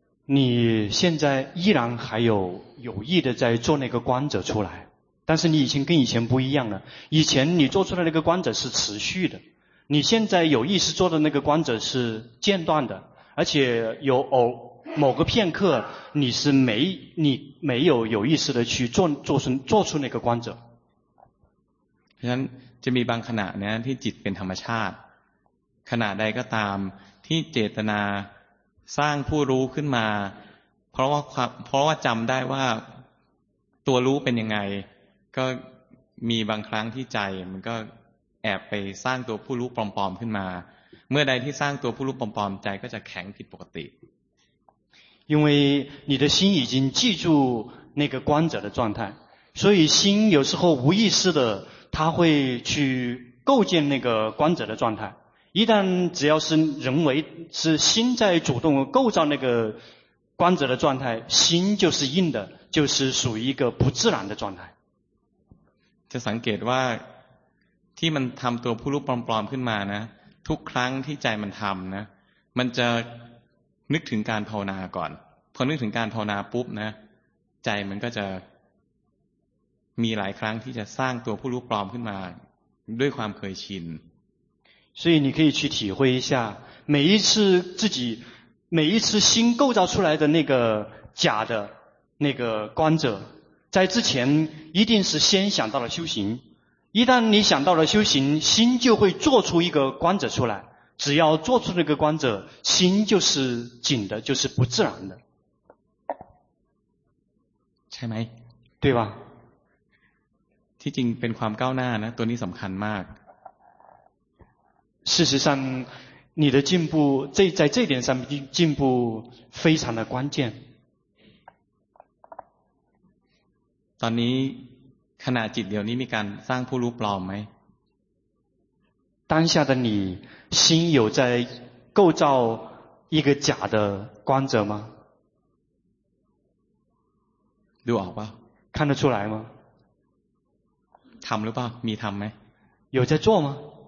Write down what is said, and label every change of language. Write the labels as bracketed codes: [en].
[zh] 你现在依然还有意的在做那个观者出来，但是你以前跟以前不一样了。以前你做出来那个观者是持续的，你现在有意识做的那个观者是间断的，而且有某个片刻你是没有有意识的去做出那个观者。 [th] ฉะนั้นจะมีบางขณะนะที่จิตเป็นธรรมชาติขณะใดก็ตามที่เจตนาสร้างผู้รู้ขึ้นมาเพราะว่าจำได้ว่าตัวรู้เป็นยังไงก็มีบางครั้งที่ใจมันก็แอบไปสร้างตัวผู้รู้ปลอมๆขึ้นมาเมื่อใดที่สร้างตัวผู้รู้ปลอมๆใจก็จะแข็งผิดปกติ [zh] 因为你的心已经记住那个观者的状态所以心有时候无意识的它会去构建那个观者的状态一旦只要是人为是心在主动构造那个观者的状态心就是硬的就是属于一个不自然的状态 [th] จะสังเกตว่าที่มันทำตัวผู้รู้ปลอมๆขึ้นมานะทุกครั้งที่ใจมันทำนะ มันจะนึกถึงการภาวนาก่อนพอนึกถึงการภาวนาปุ๊บนะใจมันก็จะมีหลายครั้งที่จะสร้างตัวผู้รู้ปลอมขึ้นมาด้วยความเคยชิน [zh] 所以你可以去体会一下每一次自己每一次新构造出来的那个假的那个观者在之前一定是先想到了修行一旦你想到了修行心就会做出一个观者出来只要做出那个观者心就是紧的就是不自然的 [th] ใช่ไหม ใช่ป่ะ ที่จริงเป็นความก้าวหน้านะตัวนี้สำคัญมาก [zh] 事实上你的进步在这点上进步非常的关键 [th] ตอนนี้ขณะจิตเดียวนี้มีการสร้างผู้รู้ปลอมไหม [zh] 当下的你心有在构造一个假的观者吗 [th] ดูออกป่ะ [zh] 看得出来吗 [th] ทำหรือเปล่ามีทำไหม [zh] 有在做吗